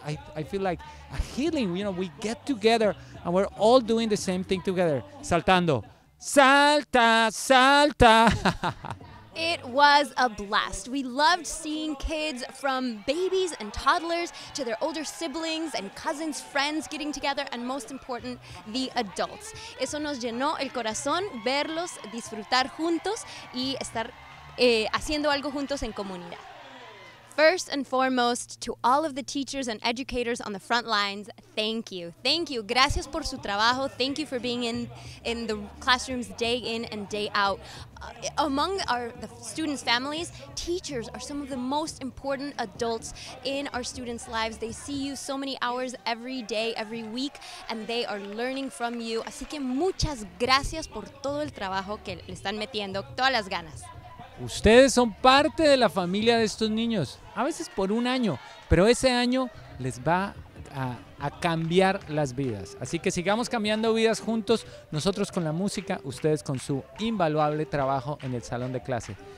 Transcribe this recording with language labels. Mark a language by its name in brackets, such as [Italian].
[English] I feel like a healing. You know, we get together and we're all doing the same thing together. [Spanish] Saltando. Salta, salta. [English] It was a blast. We loved seeing kids from babies and toddlers to their older siblings and cousins, friends getting together, and most important, the adults. [Spanish] Eso nos llenó el corazón, verlos, disfrutar juntos y estar haciendo algo juntos en comunidad. [English] First and foremost, to all of the teachers and educators on the front lines, thank you. Thank you. [Spanish] Gracias por su trabajo. [English] Thank you for being in the classrooms day in and day out. Among the students' families, teachers are some of the most important adults in our students' lives. They see you so many hours every day, every week, and they are learning from you. [Spanish] Así que muchas gracias por todo el trabajo que le están metiendo, todas las ganas. Ustedes son parte de la familia de estos niños, a veces por un año, pero ese año les va a cambiar las vidas. Así que sigamos cambiando vidas juntos, nosotros con la música, ustedes con su invaluable trabajo en el salón de clase.